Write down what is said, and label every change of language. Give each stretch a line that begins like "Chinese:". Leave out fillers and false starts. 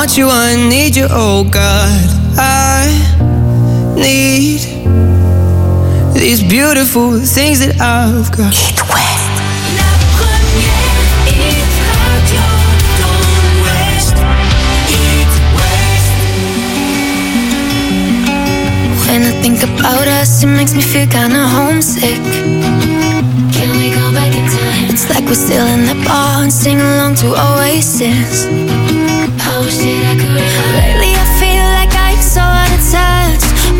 English: I need you, oh God. I need these beautiful things that I've got. Hit West.
French: La première Hit Radio dans l'Ouest.
English: Hit West. When I think about us, it makes me feel kinda homesick. Can we go back in time? It's like we're still in the bar and sing along to Oasis. Lately I feel like I'm so out of touch.